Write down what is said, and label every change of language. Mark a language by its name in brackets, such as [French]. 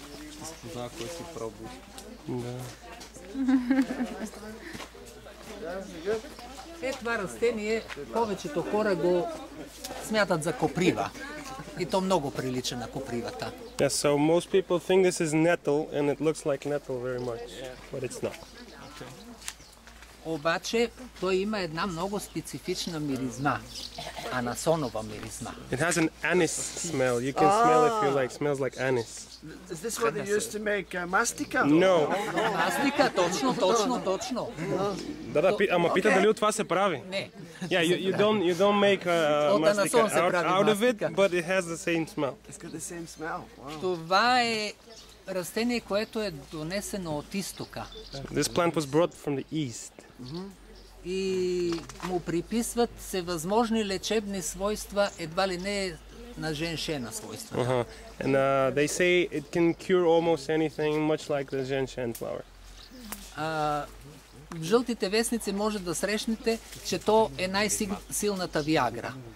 [Bulgarian] ще спознава, кой си пробвал. Да. Е, това растение, повечето хора го смятат за коприва. И то много прилича на копривата. [English] Yes, so most people think this is nettle and it looks like nettle very much, but it's not. [Bulgarian] Обаче той има една много специфична миризма, анасонова миризма. [English] It has an anise smell. You can smell if you like. Smells like anise. Is this what they used to make mastika? No. [Bulgarian] Мастика, точно. Да, да, ама пита дали от това се прави? Не. [English] Yeah, you don't make mastika out of it, but it has the same smell. It's got the same smell. [Bulgarian] Това е растение, което е донесено от изтока. [English] This plant was brought from the east. [Bulgarian] И му приписват всевъзможни лечебни свойства, едва ли не на женшена свойства. [English] And they say it can cure almost anything, much like the женшен flower. [Bulgarian] В жълтите вестници може да срещнете, че то е най-силната виагра.